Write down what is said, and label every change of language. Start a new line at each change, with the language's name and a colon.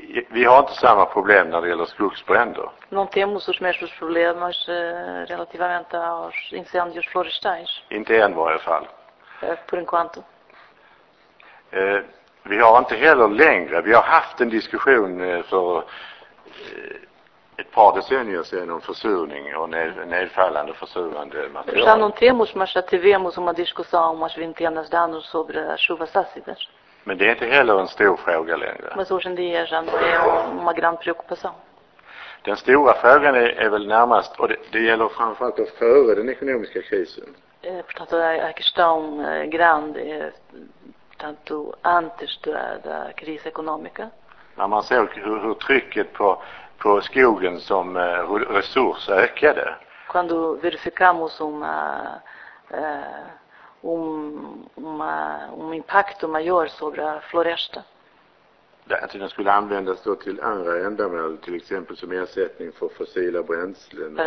Swedish: Vi har inte samma problem när det gäller skogsbränder.
Portuguese: Não temos os mesmos problemas relativamente aos incêndios florestais.
Swedish: Inte än, i varje fall.
Portuguese: Por enquanto.
Swedish: Vi har inte heller längre. Vi har haft en diskussion för ett par decennier sedan om försurning och nedfallande försurande material.
Portuguese: Já não temos, mas já tivemos uma discussão umas vintenas de anos sobre chuvas ácidas.
Swedish: Men det är inte heller en stor fråga längre.
Portuguese: Mas hoje em dia já não é uma grande preocupação.
Swedish: Den stora frågan är väl närmast, och det gäller framförallt att före den ekonomiska krisen.
Portuguese: Portanto, a questão grande é tanto antes da crise econômica.
Swedish: När man såg hur trycket på skogen som resurs ökade.
Portuguese: Quando verificamos um impacto maior sobre a floresta.
Swedish: Att den skulle användas då till andra ändamål, till exempel som ersättning för fossila bränslen.